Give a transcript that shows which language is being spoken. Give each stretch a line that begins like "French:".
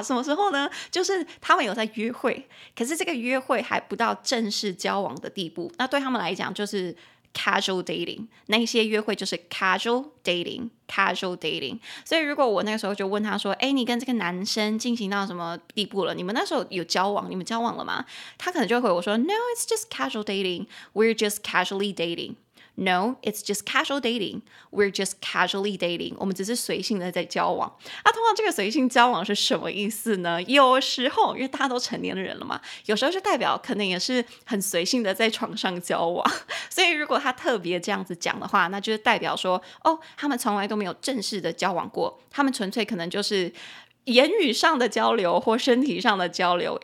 Chinese: 什么时候呢？就是他们有在约会，可是这个约会还不到正式交往的地步，那对他们来讲就是 casual dating， 那些约会就是 casual dating， casual dating。所以如果我那个时候就问他说，哎，你跟这个男生进行到什么地步了，你们那时候有交往，你们交往了吗？他可能就会回我说
English: No, it's just casual dating, we're just casually dating. No, it's just casual dating, we're just casually dating.
Chinese: 我们只是随性的在交往。那通常这个随性交往是什么意思呢？有时候因为大家都成年的人了嘛，有时候就代表可能也是很随性的在床上交往。所以如果他特别这样子讲的话，那就是代表说哦，他们从来都没有正式的交往过，他们纯粹可能就是言语上的交流或身体上的交流。